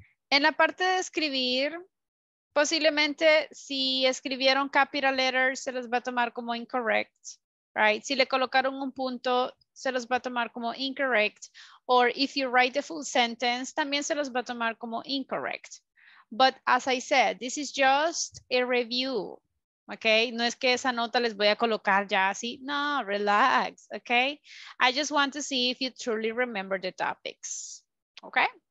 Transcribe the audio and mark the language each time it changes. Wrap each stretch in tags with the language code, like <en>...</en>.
<es>En la parte de escribir, posiblemente si escribieron capital letters, se los va a tomar como incorrect,</es> <en>right?</en> <es>Si le colocaron un punto, se los va a tomar como incorrect.</es> <en>Or if you write the full sentence,</en> <es>también se los va a tomar como</es> <en>incorrect. But as I said, this is just a review, okay?</en> <es>No es que esa nota les voy a colocar ya así.</es> <en>No, relax, okay? I just want to see if you truly remember the topics, okay?</en>